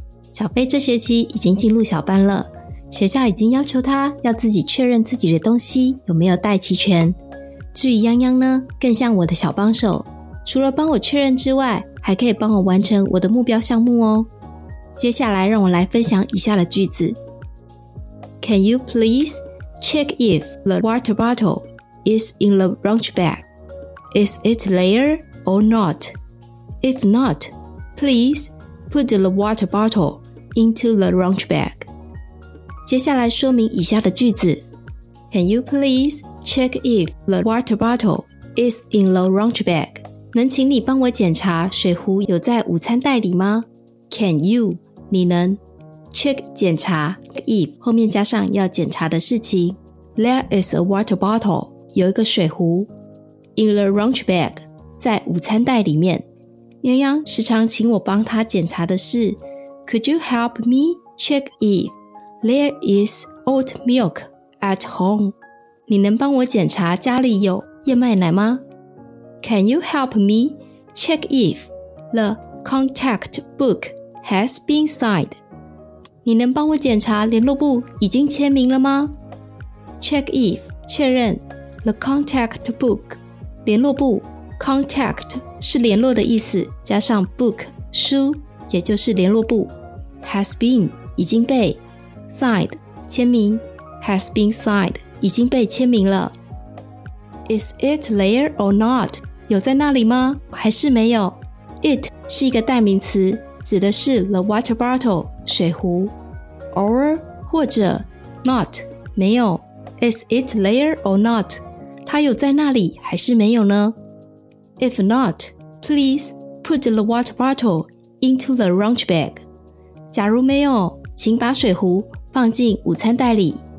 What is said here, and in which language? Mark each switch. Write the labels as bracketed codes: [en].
[zh] 小飞这学期已经进入小班了，学校已经要求他要自己确认自己的东西有没有带齐全。至于泱泱呢，更像我的小帮手，除了帮我确认之外，还可以帮我完成我的目标项目哦。接下来让我来分享以下的句子。 [en] Can you please check if the water bottle is in the lunch bag? Is it there or not? If not, please put the water bottle into the lunch bag. [zh] 接下来说明以下的句子。 [en] Can you pleasecheck if the water bottle is in the lunch bag. [zh] 能请你帮我检查水壶有在午餐袋里吗？ [en] Can you? [zh] 你能。check 检查 if 后面加上要检查的事情。 [en] There is a water bottle. [zh] 有一个水壶。 [en] In the lunch bag. [zh] 在午餐袋里面。泱泱时常请我帮他检查的是 [en] Could you help me check if there is oat milk at home? [zh] 你能帮我检查家里有燕麦奶吗？ [en] Can you help me check if the contact book has been signed? [zh] 你能帮我检查联络簿已经签名了吗？ [en] Check if [zh] 确认 [en] the contact book [zh] 联络簿 contact 是联络的意思，加上 book 书，也就是联络簿 has been 已经被 signed 签名 [en] has been signed [zh] 已经被签名了。 [en] Is it there or not? [zh] 有在那里吗？还是没有？ It 是一个代名词，指的是 [en] the water bottle [zh] 水壶。 [en] Or [zh] 或者 [en] not [zh] 没有。 [en] Is it there or not? [zh] 它有在那里还是没有呢？ [en] If not, please put the water bottle into the lunch bag. [zh] 假如没有，请把水壶放进午餐袋里。